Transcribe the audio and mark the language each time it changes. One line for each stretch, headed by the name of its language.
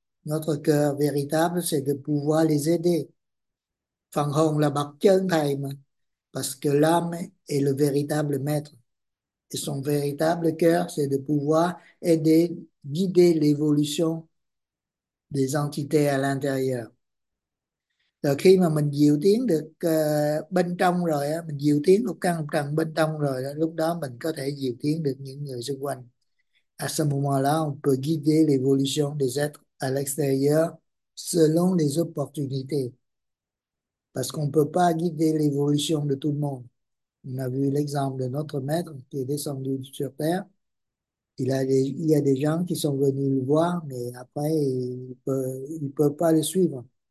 French: Notre cœur véritable, c'est de pouvoir les aider.
Vietnamese: Phần hồn là bậc chân thầy mà,
French: parce que l'âme est le véritable maître. Et son véritable cœur, c'est de pouvoir aider, guider l'évolution des entités à l'intérieur.
Vietnamese: Rồi khi mà mình diệu tiến được bên trong rồi á, mình diệu tiến lục căn lục trần bên trong rồi đó, lúc đó mình có thể diệu tiến được những người xung quanh.
French: À ce moment-là, on peut guider l'évolution des êtres à l'extérieur selon les opportunités. Parce qu'on ne peut pas guider l'évolution de tout le monde. On a vu l'exemple de notre maître qui est descendu sur Terre. Il y a des gens qui sont venus le voir, mais après, il peut pas le suivre.